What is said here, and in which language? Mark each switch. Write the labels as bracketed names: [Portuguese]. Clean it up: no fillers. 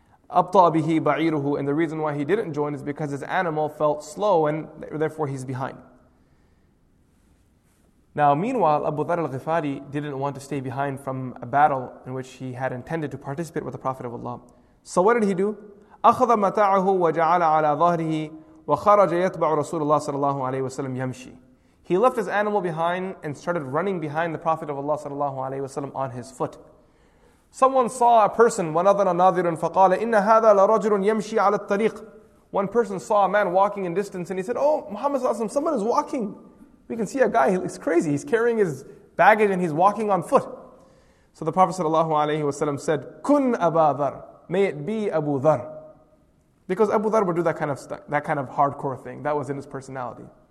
[Arabic] أبطى به بعيره, [English] and the reason why he didn't join is because his animal felt slow and therefore he's behind. Now meanwhile, Abu Dharr al-Ghifari didn't want to stay behind from a battle in which he had intended to participate with the Prophet of Allah. So what did he do? [Arabic] أخذ متاعه وجعل على ظهره وخرج يتبع رسول الله صلى الله عليه وسلم يمشي. [English] He left his animal behind and started running behind the Prophet of Allah sallallahu alaihi wasallam on his foot. Someone saw a person, [Arabic] وَنَظَرَ نَاظِرٌ فَقَالَ إِنَّ هَذَا لَرَجُلٌ يَمْشِي عَلَى الطَّرِيقِ. [English] One person saw a man walking in distance and he said, oh, Muhammad Sallallahu Alaihi Wasallam, someone is walking. We can see a guy, he's crazy, he's carrying his baggage and he's walking on foot. So the Prophet Sallallahu Alaihi Wasallam said, [Arabic] كُنْ أَبَا ذَرْ, [English] may it be Abu Dharr. Because Abu Dharr would do that kind of hardcore thing. That was in his personality.